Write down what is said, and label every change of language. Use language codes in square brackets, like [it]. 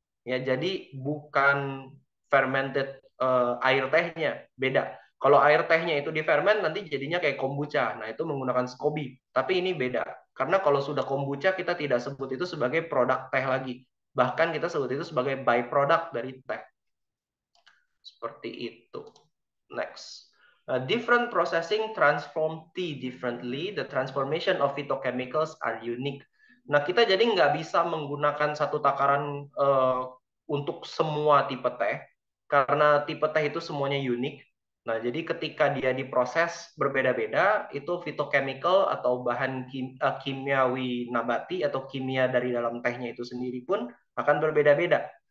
[id] Ya, jadi bukan fermented air tehnya, beda. Kalau air tehnya itu diferment, nanti jadinya kayak kombucha. Nah, itu menggunakan SCOBY. Tapi ini beda. Karena kalau sudah kombucha, kita tidak sebut itu sebagai produk teh lagi. Bahkan kita sebut itu sebagai byproduct dari teh. Seperti itu. [en] Next, different processing transform tea differently. The transformation of phytochemicals are unique. [id] Nah, kita jadi nggak bisa menggunakan satu takaran untuk semua tipe teh, karena tipe teh itu semuanya unik. Nah, jadi ketika dia diproses berbeda-beda, itu phytochemical atau bahan kimiawi nabati atau kimia dari dalam tehnya itu sendiri pun akan berbeda-beda.